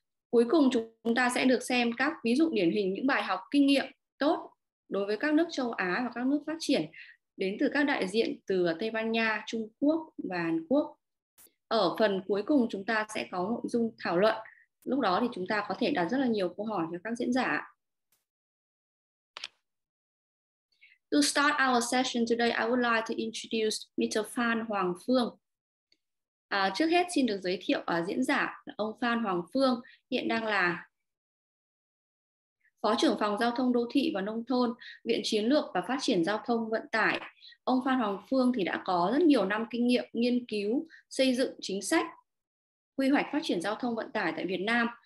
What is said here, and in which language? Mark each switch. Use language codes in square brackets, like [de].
[vi] Cuối cùng chúng ta sẽ được xem các ví dụ điển hình những bài học kinh nghiệm tốt đối với các nước châu Á và các nước phát triển đến từ các đại diện từ Tây Ban Nha, Trung Quốc và Hàn Quốc. Ở phần cuối cùng chúng ta sẽ có nội dung thảo luận. Lúc đó thì chúng ta có thể đặt rất là nhiều câu hỏi cho các diễn giả. [en] To start our session today, I would like to introduce Mr. Phan Hoàng Phương. [vi] Trước hết xin được giới thiệu diễn giả là ông Phan Hoàng Phương, hiện đang là Phó trưởng phòng Giao thông Đô thị và Nông thôn, Viện Chiến lược và Phát triển Giao thông Vận tải. Ông Phan Hoàng Phương thì đã có rất nhiều năm kinh nghiệm nghiên cứu, xây dựng chính sách, quy hoạch phát triển giao thông vận tải tại Việt Nam.